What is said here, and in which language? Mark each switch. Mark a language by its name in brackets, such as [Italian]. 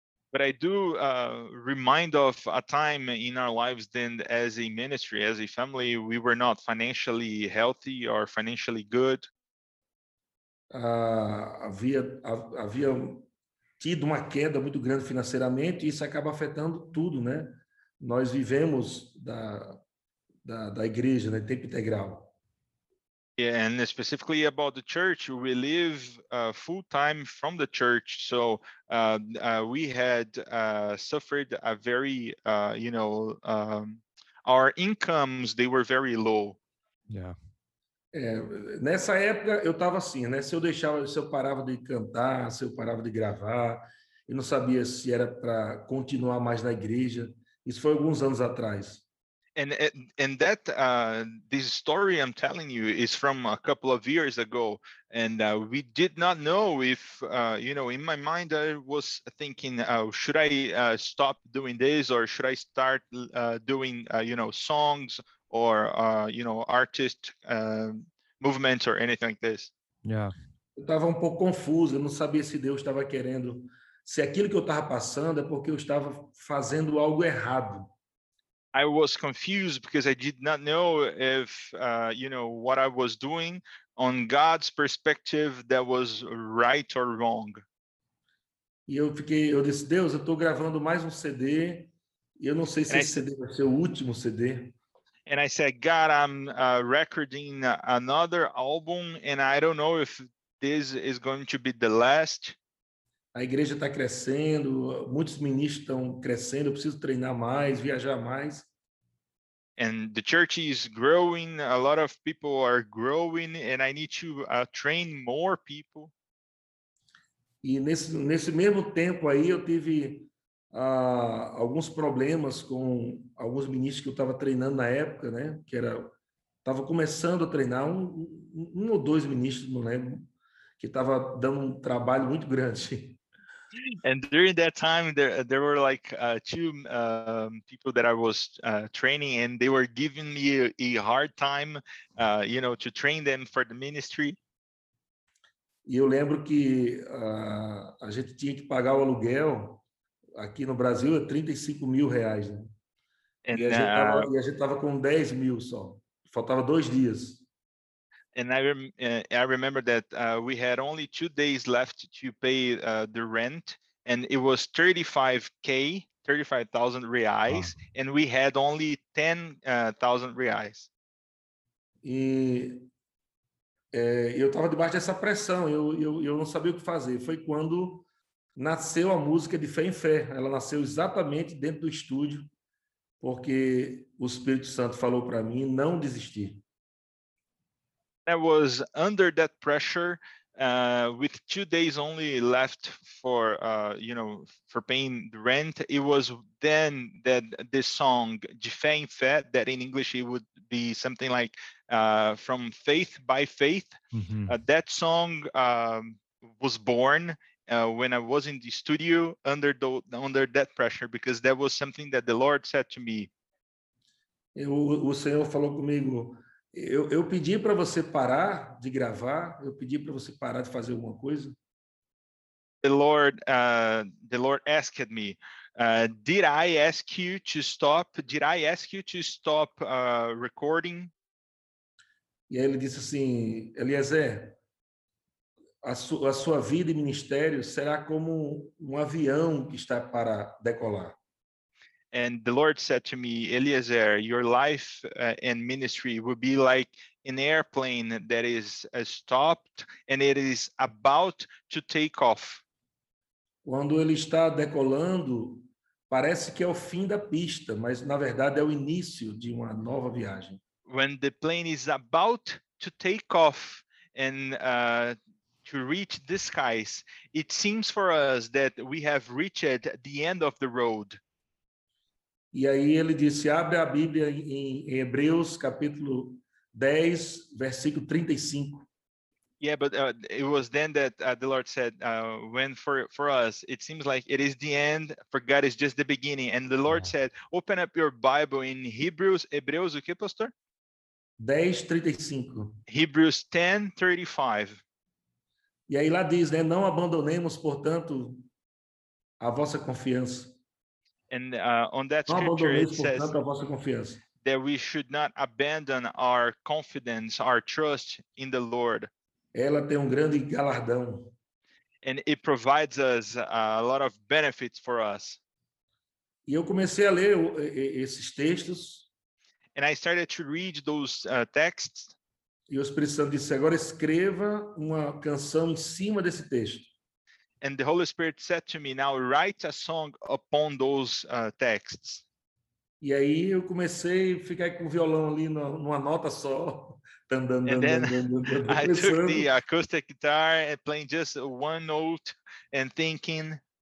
[English] But I do remind of a time in our lives then as a ministry, as a family, we were not financially healthy or financially good. [Portuguese] Havia tido uma queda muito grande financeiramente e isso acaba afetando tudo, né? Nós vivemos da igreja, né, tempo integral. [English] Yeah, and specifically about the church, we live full time from the church, so we had suffered a very, our incomes, they were very low. Yeah. [Portuguese] Nessa época eu estava assim, né? Se eu parava de cantar, se eu parava de gravar, eu não sabia se era para continuar mais na igreja. Isso foi alguns anos atrás. [English] This story I'm telling you is from a couple of years ago, and we did not know if, in my mind I was thinking, should I stop doing this or should I start doing, songs or, artist movements or anything like this. Yeah. [Portuguese] Eu estava um pouco confuso, eu não sabia se Deus estava querendo, se aquilo que eu estava passando é porque eu estava fazendo algo errado. [English] I was confused because I did not know if, what I was doing on God's perspective that was right or wrong. [Portuguese] E eu disse, Deus, eu estou gravando mais um CD e eu não sei se esse CD vai ser o último CD. [English] And I said, God, I'm recording another album and I don't know if this is going to be the last. [Portuguese] A igreja está crescendo, muitos ministros estão crescendo, eu preciso treinar mais, viajar mais. [English] And the church is growing, a lot of people are growing, and I need to train more people. [Portuguese] E nesse mesmo tempo aí eu tive alguns problemas com alguns ministros que eu estava treinando na época, né? Que era estava começando a treinar um ou dois ministros, não lembro, que estava dando um trabalho muito grande. [English] And during that time, there were like two people that I was training, and they were giving me a hard time, you know, to train them for the ministry. [Portuguese] E eu lembro que a gente tinha que pagar o aluguel aqui no Brasil é R$35 mil, né? E a gente tava com 10 mil só, faltava dois dias. [English] And I remember that we had only 2 days left to pay the rent, and it was R$35,000, and we had only R$10,000. [Portuguese] Eu estava debaixo dessa pressão, eu não sabia o que fazer. Foi quando nasceu a música de Fé em Fé. Ela nasceu exatamente dentro do estúdio, porque o Espírito Santo falou para mim não desistir. [English] I was under that pressure, with 2 days only left for, you know, for paying the rent. It was then that this song, De Fé em Fé, that in English it would be something like From Faith by Faith. Mm-hmm. That song was born when I was in the studio under that pressure, because that was something that the Lord said to me. [Portuguese] O Senhor falou comigo. Eu pedi para você parar de gravar, eu pedi para você parar de fazer alguma coisa. [English] The Lord asked me, did I ask you to stop? Did I ask you to stop recording? [Portuguese] E aí ele disse assim, Eliezer, a sua vida e ministério será como um avião que está para decolar. [English] And the Lord said to me, Eliezer, your life and ministry will be like an airplane that is stopped and it is about to take off. [Portuguese] Quando ele está decolando, parece que é o fim da pista, mas na verdade é o início de uma nova viagem. [English] When the plane is about to take off and to reach the skies, it seems for us that we have reached the end of the road. [Portuguese] E aí ele disse, abre a Bíblia em Hebreus, capítulo 10, versículo 35. [English] Yeah, but it was then that the Lord said, when for us, it seems like it is the end, for God is just the beginning. And the Lord said, open up your Bible in Hebreus, [Portuguese] o que, pastor? [English] 10:35. [Portuguese] Hebreus 10:35. E aí lá diz, né, não abandonemos, portanto, a vossa confiança. [English] And on that scripture, it says that we should not abandon our confidence, our trust in the Lord. [Portuguese] Ela tem grande galardão. [English] And it provides us a lot of benefits for us. [Portuguese] E eu comecei a ler esses textos. [English] And I started to read those texts. [Portuguese] E o Espírito Santo disse, agora escreva uma canção em cima desse texto. [English] And the Holy Spirit said to me, now write a song upon those texts. [Portuguese] E aí eu comecei a ficar com o violão ali numa nota só. [English] I took the acoustic guitar and playing just one note and thinking.